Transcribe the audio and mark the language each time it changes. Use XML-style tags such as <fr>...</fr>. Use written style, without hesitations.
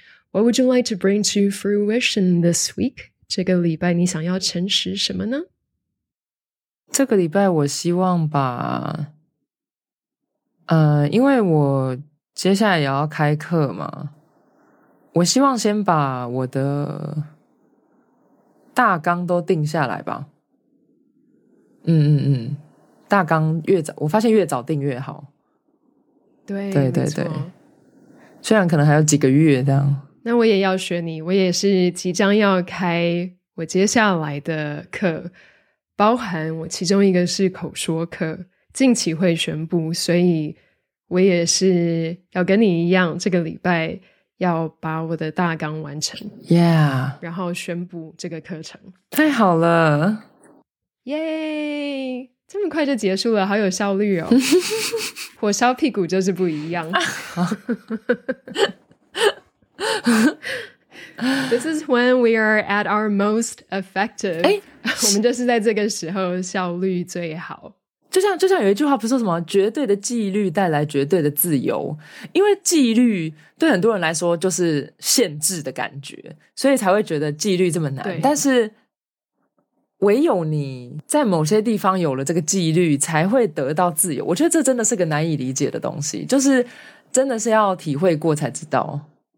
<en>What would you like to bring to fruition this week?</en> <zh>这个礼拜你想要诚实什么呢？这个礼拜我希望把因为我接下来也要开课嘛，我希望先把我的大纲都定下来吧。嗯，大纲越早，我发现越早定越好。对对对对，虽然可能还有几个月这样。那我也要学你，我也是即将要开我接下来的课，包含我其中一个是口说课，近期会宣布，所以我也是要跟你一样，这个礼拜要把我的大纲完成</zh> <en>，Yeah，</en> <zh>然后宣布这个课程，太好了，耶、yeah ！这么快就结束了，好有效率哦，火烧屁股就是不一样。</zh> <en>This is when we are at our most effective、欸。</en> <zh>我们就是在这个时候效率最好。就像有一句话不是说什么绝对的纪律带来绝对的自由，因为纪律对很多人来说就是限制的感觉，所以才会觉得纪律这么难。但是唯有你在某些地方有了这个纪律才会得到自由，我觉得这真的是个难以理解的东西，就是真的是要体会过才知道。</zh>